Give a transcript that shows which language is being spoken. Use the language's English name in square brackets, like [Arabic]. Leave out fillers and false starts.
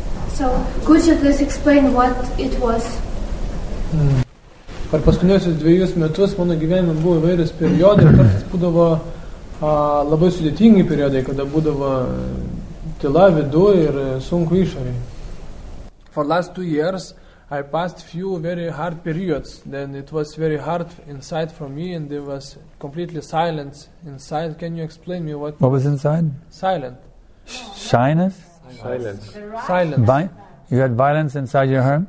[English] So, could you please explain what it was? [Lithuanian] Per paskutiniuosius dviejus metus mano gyvenime buvo įvairius periodai, kartais būdavo labai sudėtingi periodai, kada būdavo tyla viduje ir sunku išorėje. [English] For last 2 years, I passed few very hard periods, then it was very hard inside from me and there was completely silence inside. Can you explain me what... What was inside? Silent. Shyness? Silence. Silence. You had violence inside your home?